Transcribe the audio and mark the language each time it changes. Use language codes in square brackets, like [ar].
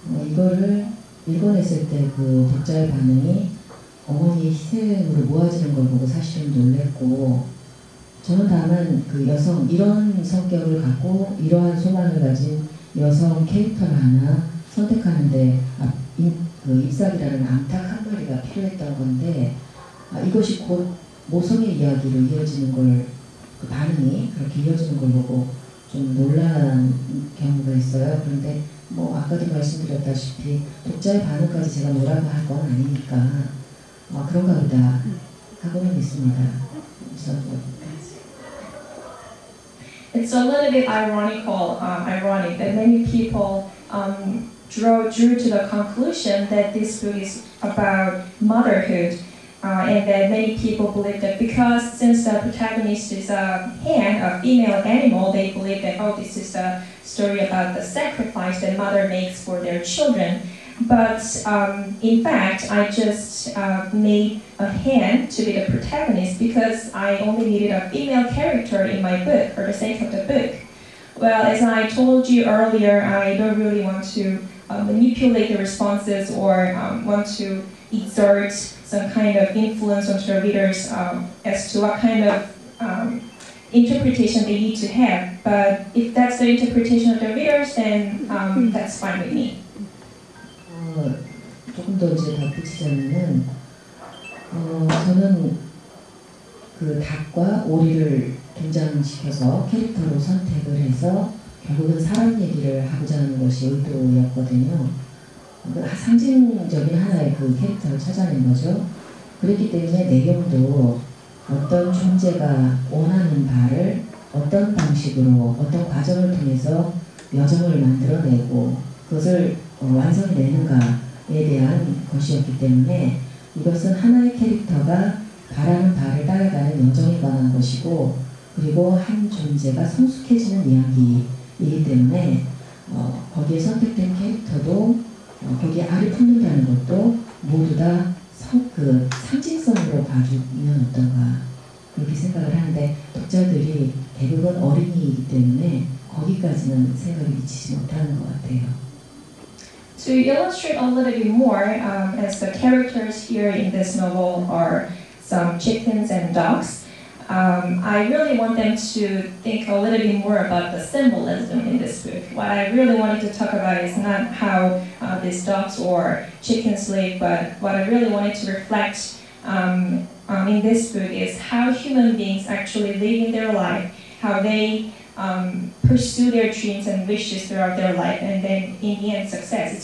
[ko] 이거를 읽어냈을 때 그 독자의 반응이 어머니의 희생으로 모아지는 걸 보고 사실은 놀랬고, 저는 다만 그 여성, 이런 성격을 갖고 이러한 소망을 가진 여성 캐릭터를 하나 선택하는데 잎사귀라는 암탉 한 마리가 필요했던 건데, 이것이 곧 모성의 이야기로 이어지는 걸, 그 반응이 그렇게 이어지는 걸 보고 좀 놀란 경우가 있어요. 그런데 뭐 아까도 말씀드렸다시피 독자의 반응까지 제가 뭐라고 할 건 아니니까 그런가 보다 하고는 있습니다. [en] It's a little bit ironical, ironic that many people drew to the conclusion that this book is about motherhood, and that many people believe that because since the protagonist is a hen, a female animal, they believe that oh, this is a story about the sacrifice that mother makes for their children. But in fact, I just made a hen to be the protagonist because I only needed a female character in my book for the sake of the book. Well, as I told you earlier, I don't really want to manipulate the responses or want to exert some kind of influence onto the readers as to what kind of interpretation they need to have. But if that's the interpretation of the readers, then that's fine with me. [ko] 조금 더 이제 덧붙이자면은 저는 그 닭과 오리를 등장시켜서 캐릭터로 선택을 해서 결국은 사람 얘기를 하고자 하는 것이 의도였거든요. 그 상징적인 하나의 그 캐릭터를 찾아낸 거죠. 그렇기 때문에 내용도 어떤 존재가 원하는 바를 어떤 방식으로 어떤 과정을 통해서 여정을 만들어내고 그것을 완성되는가에 대한 것이었기 때문에 이것은 하나의 캐릭터가 바라는 바를 따라가는 여정에 관한 것이고 그리고 한 존재가 성숙해지는 이야기이기 때문에 거기에 선택된 캐릭터도 거기에 알을 품는다는 것도 모두 다 그 상징성으로 봐주면 어떤가 그렇게 생각을 하는데 독자들이 대부분 어린이이기 때문에 거기까지는 생각이 미치지 못하는 것 같아요. [en] To illustrate a little bit more, as the characters here in this novel are some chickens and ducks, I really want them to think a little bit more about the symbolism in this book. What I really wanted to talk about is not how these ducks or chickens live, but what I really wanted to reflect in this book is how human beings actually live in their life, how they pursue their dreams and wishes throughout their life, and then in the end, success.